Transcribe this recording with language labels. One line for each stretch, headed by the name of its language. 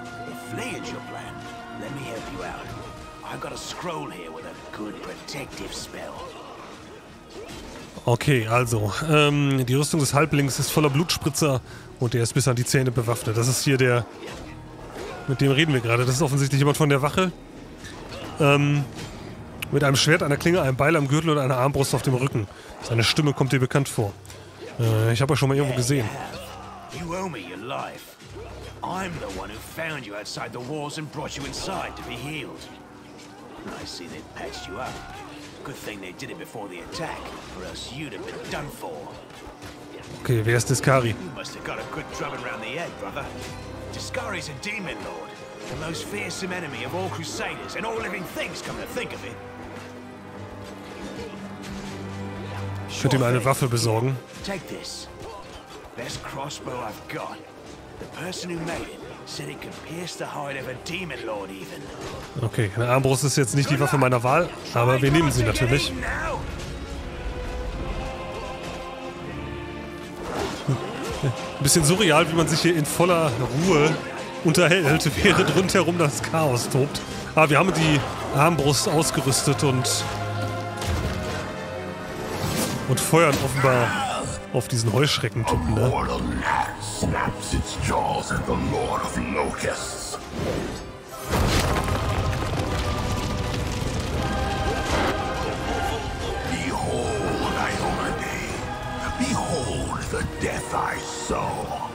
English: If flee is your plan, let me help you out. I've got a scroll here with a good protective spell.
German: Okay, also, die Rüstung des Halblings ist voller Blutspritzer und der ist bis an die Zähne bewaffnet. Das ist hier der, mit dem reden wir gerade. Das ist offensichtlich jemand von der Wache. Mit einem Schwert, einer Klinge, einem Beil am Gürtel und einer Armbrust auf dem Rücken. Seine Stimme kommt dir bekannt vor. Ich habe euch schon mal irgendwo gesehen.
English: You owe me your life. I'm the one who found you outside the walls and brought you inside to be healed. I see they patched you up. Good thing they did it before the attack, or else you'd have been done for.
German: Okay, wer ist Discari?
English: You must have got a good drumming around the head, brother. Discari's a demon lord, the most fearsome enemy of all crusaders and all living things, come to think of it.
German: Ich würde ihm eine Waffe besorgen.
English: Take this. Best crossbow I've got. The person who made it said it could pierce the hide of a demon lord even.
German: Okay, eine Armbrust ist jetzt nicht die Waffe meiner Wahl, aber wir nehmen sie natürlich. Ein bisschen surreal, wie man sich hier in voller Ruhe unterhält, während rundherum das Chaos tobt. Aber wir haben die Armbrust ausgerüstet und feuern offenbar auf diesen Heuschreckentypen, ne?
English: Snaps its jaws at the Lord of Locusts. Behold, Iomade. Behold the death I sow.